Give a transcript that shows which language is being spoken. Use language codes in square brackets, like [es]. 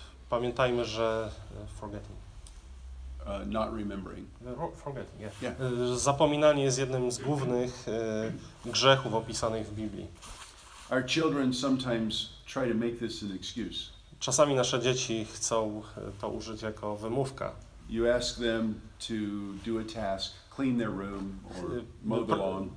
[pl] Pamiętajmy, że forgetting. [en] Not remembering. Forgetting, yeah. [pl] Zapominanie jest jednym z głównych grzechów opisanych w Biblii. [en] Our children sometimes try to make this an excuse. [pl] Czasami nasze dzieci chcą to użyć jako wymówka. [en] You ask them to do a task, clean their room or mow the lawn.